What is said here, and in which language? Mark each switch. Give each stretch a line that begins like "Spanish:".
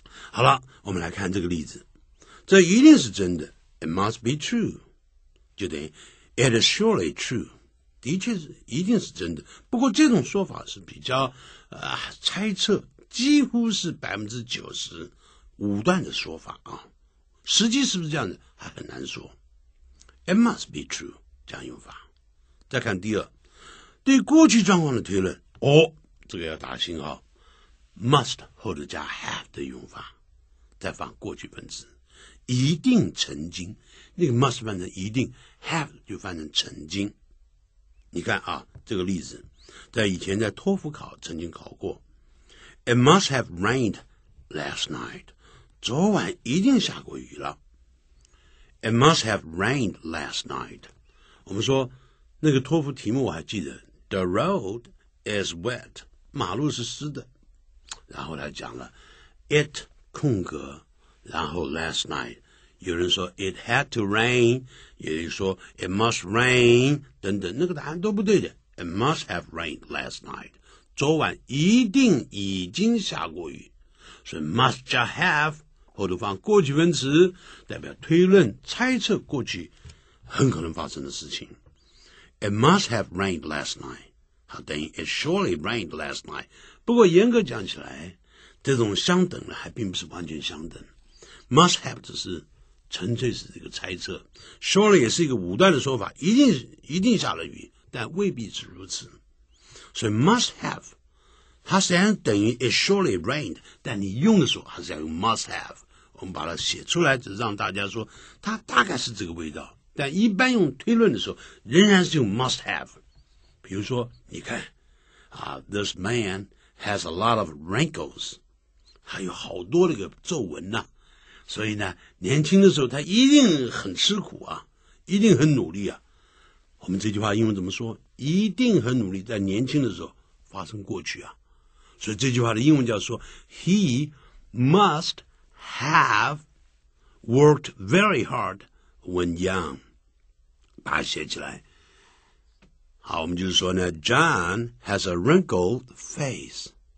Chinese: 好了，我们来看这个例子，这一定是真的，
English: it must be true，
Chinese: 就等于
English: it is surely true，
Chinese: 的确是一定是真的。不过这种说法是比较猜测，几乎是 90%武断的说法啊，实际是不是这样的还很难说。
English: It must be true，
Chinese: 这样用法。再看第二，对过去状况的推论，哦，这个要打星号， must 后头加 have 的用法，再放过去分词，一定曾经，那个 must 翻成一定， have 就翻成曾经。你看啊，这个例子，在以前在托福考曾经考过，
English: It must have rained last night，
Chinese: 昨晚一定下过雨了。
English: It must have rained last night。
Chinese: 我们说那个托福题目我还记得，
English: The road is wet，
Chinese: 马路是湿的。然后他讲了 It 空格，然后 last night， 有人说
English: It had to rain，
Chinese: 也就是说
English: It must rain
Chinese: 等等，那个答案都不对的。
English: It must have rained last night，
Chinese: 昨晚一定已经下过雨。所以 must 加 have后头放过去分词，代表推论猜测过去很可能发生的事情。
English: It must have rained last night， 好，等于 It surely rained last night。
Chinese: 不过严格讲起来，这种相等的还并不是完全相等， must have 只是纯粹是这个猜测， surely 也是一个武断的说法，一定下了雨，但未必是如此。所以 must have它虽然等于
English: it surely rained，
Chinese: 但你用的时候还是要用 must have， 我们把它写出来，只让大家说它大概是这个味道，但一般用推论的时候仍然是用 must have。比如说你看、
English: This man has a lot of wrinkles，
Chinese: 还有好多这个皱纹呢、所以呢年轻的时候他一定很吃苦啊，一定很努力啊。我们这句话英文怎么说？一定很努力在年轻的时候发生过去啊。所以这句话的英文叫说
English: He must have worked very hard when young。
Chinese: 把它写起来。好，我们就是说呢
English: John has a wrinkled face。